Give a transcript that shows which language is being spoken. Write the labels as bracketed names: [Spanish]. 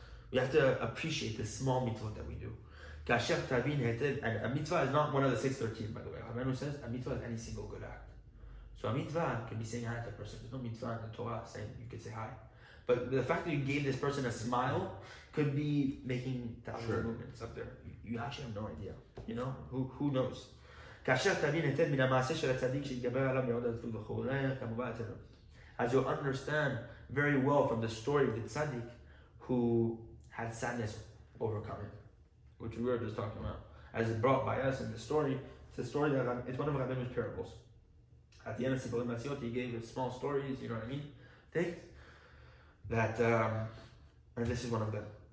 [English] We have to appreciate the small mitzvot that we do. [Hebrew] Kasher tavin heted, [English] and a mitzvah is not one of the 613, by the way. Rabbeinu says a mitzvah is any single good act. So a mitzvah can be saying hi to a person. There's no mitzvah in the Torah saying you could say hi. But the fact that you gave this person a smile could be making thousands of movements up there. You actually have no idea. You know? Who knows? [Hebrew] כאשר תבין היטב מן המעשה של הצדיק שהתגבר עליו מאוד עצוב וכו', כמובן אצלנו. [English] As you understand very well from the story of the tzaddik who had sadness overcome him, which we were just talking about, as it brought by us in the story, it's a story that it's one of Rabbeinu's parables. At the end of Sibbalim Matziot, he gave small stories, you know what I mean? Things that, and this is one of them.